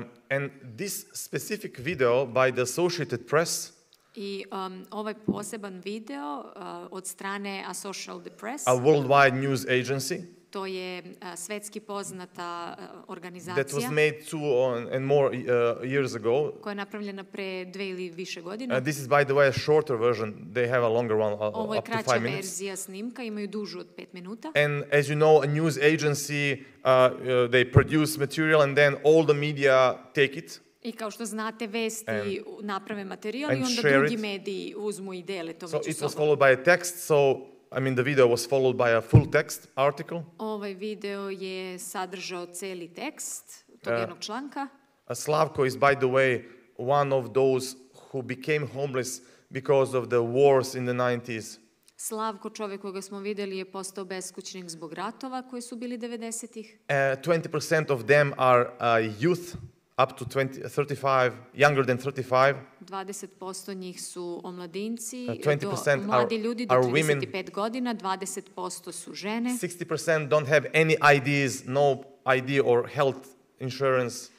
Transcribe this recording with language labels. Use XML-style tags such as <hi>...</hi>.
<en>And this specific video by the Associated Press</en> <sr>i ovaj poseban video od strane Associated Press,</sr> <en>a worldwide news agency,</en> <sr>to je svetski poznata organizacija</sr> <en>that was made two and more years ago,</en> <sr>koja je napravljena pre dve ili više godina.</sr> <en>This is by the way a shorter version, they have a longer one,</en> <sr>ovo je</sr> <en>up</en> <sr>kraća</sr> <en>to 5 minutes.</en> <sr>Verzija snimka, imaju dužu od 5 minuta.</sr> <en>And as you know, a news agency, they produce material and then all the media take it.</en> <sr>I kao što znate, vesti naprave materijal i onda drugi mediji uzmu i dele to među sobom.</sr> <en>So it was followed by a text, so I mean the video was followed by a full text article.</en> <sr>Ovaj video je sadržao celi tekst tog jednog članka.</sr> <en>Slavko is by the way one of those who became homeless because of the wars in the 90s.</en> <sr>Slavko, čovjek kojeg smo vidjeli, je postao beskućnik zbog ratova koji su bili 90-ih.</sr> <en>20% of them are youth up to 35, younger than 35.</en> <sr>20% njih su omladinci, mladi ljudi do 35 godina, 20% su žene.</sr> <en>60% don't have any IDs, no ID or health insurance.</en>